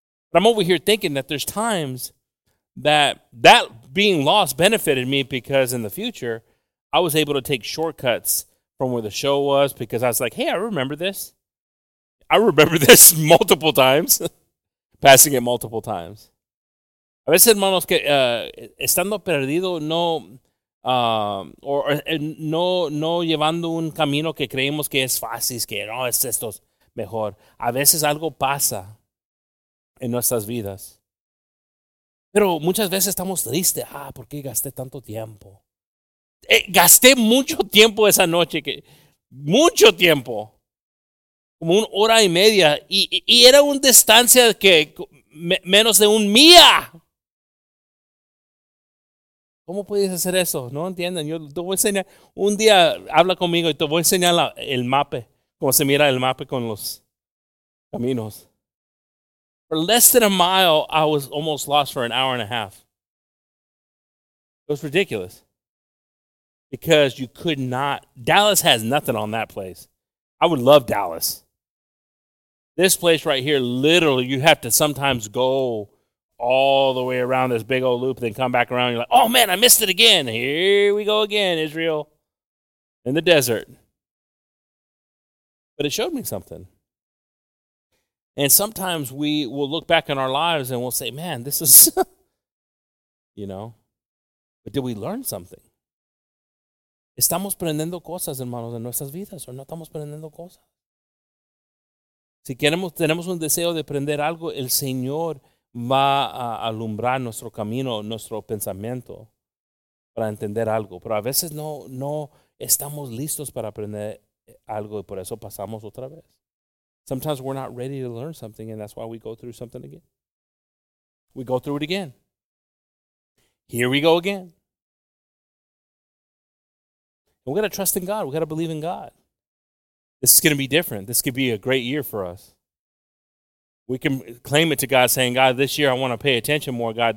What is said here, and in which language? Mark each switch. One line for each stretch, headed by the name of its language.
English: But I'm over here thinking that there's times that being lost benefited me, because in the future, I was able to take shortcuts from where the show was, because I was like, hey, I remember this. I remember this multiple times, passing it multiple times.
Spanish: A veces, hermanos, que estando perdido, no llevando un camino que creemos que es fácil, que no es esto mejor. A veces algo pasa en nuestras vidas. Pero muchas veces estamos tristes. Ah, ¿por qué gasté tanto tiempo? Gasté mucho tiempo esa noche. Mucho tiempo. Como una hora y media. Y era una distancia que menos de un mía. ¿Cómo puedes hacer eso? No entienden. Yo te voy a enseñar. Un día habla conmigo y te voy a enseñar el mapa. Como se mira el mapa con los caminos.
English: For less than a mile, I was almost lost for an hour and a half. It was ridiculous. Because you could not. Dallas has nothing on that place. I would love Dallas. This place right here, literally, you have to sometimes go all the way around this big old loop, then come back around. You're like, oh, man, I missed it again. Here we go again, Israel, in the desert. But it showed me something. And sometimes we will look back in our lives and we'll say, man, this is, you know. But did we learn something?
Spanish: ¿Estamos aprendiendo cosas, hermanos, en nuestras vidas? ¿O no estamos aprendiendo cosas? Si queremos, tenemos un deseo de aprender algo, el Señor va a alumbrar nuestro camino, nuestro pensamiento para entender algo. Pero a veces no estamos listos para aprender algo y por eso pasamos otra vez.
English: Sometimes we're not ready to learn something, and that's why we go through something again. We go through it again. Here we go again. We've got to trust in God. We've got to believe in God. This is going to be different. This could be a great year for us. We can claim it to God, saying, God, this year I want to pay attention more, God.